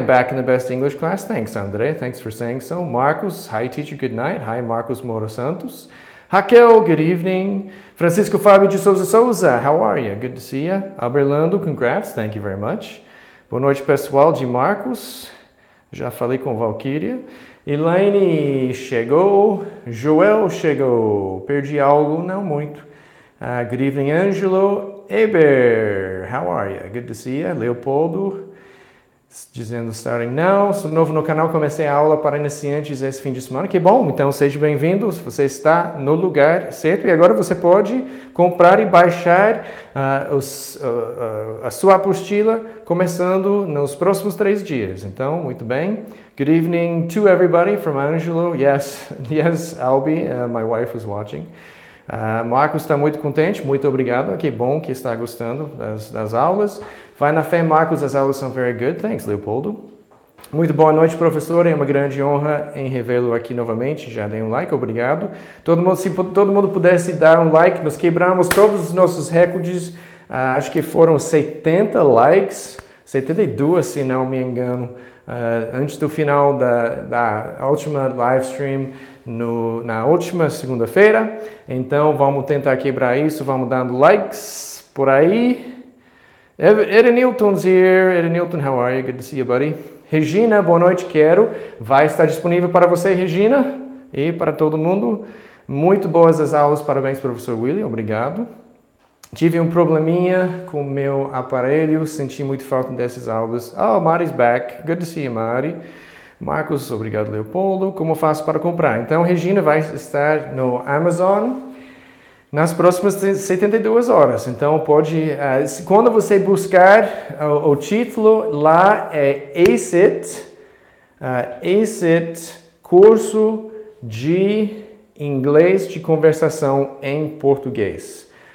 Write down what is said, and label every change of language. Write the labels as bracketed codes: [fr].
[en] I'm back in the best English class. Thanks, Andre. Thanks for saying so. Marcos, hi, teacher. Good night. Hi, Marcos Moro Santos. Raquel, good evening. Francisco Fábio de Souza Souza, how are you? Good to see you. Alberlando, congrats, thank you very much. [pt] Boa noite, pessoal de Marcos. Já falei com Valkyria. Elaine chegou. Joel chegou. Perdi algo, não muito. [en] Good evening, Angelo. Eber, how are you? Good to see you. Leopoldo, [pt] dizendo [en] starting now. [pt] Sou novo no canal, comecei a aula para iniciantes esse fim de semana. Que bom, então seja bem-vindo. Você está no lugar certo. E agora você pode comprar e baixar a sua apostila começando nos próximos 3 dias. Então, muito bem. [en] Good evening to everybody from Angelo. Yes, Albi, my wife is watching. [pt] Marcos está muito contente, muito obrigado, que bom que está gostando das aulas. Vai na fé, Marcos, as aulas são [en] very good, thanks, [pt] Leopoldo. Muito boa noite, professor, é uma grande honra em revê-lo aqui novamente, já dei um like, obrigado. Se todo mundo pudesse dar um like, nós quebramos todos os nossos recordes, acho que foram 70 likes, 72 se não me engano, antes do final da última live stream. Na última segunda-feira, então vamos tentar quebrar isso, vamos dando likes por aí. [en] Ed Newton's here, Ed Newton, how are you? Good to see you, buddy. [pt] Regina, boa noite, quero. Vai estar disponível para você, Regina, e para todo mundo. Muito boas as aulas, parabéns, professor William, obrigado. Tive um probleminha com meu aparelho, senti muito falta dessas aulas. [en] Oh, Mari's back, good to see you, Mari. [pt] Marcos, obrigado, Leopoldo. Como faço para comprar? Então, Regina vai estar no Amazon nas próximas 72 horas. Então, pode... quando você buscar o título, lá é ACET, Curso de Inglês de Conversação em Português.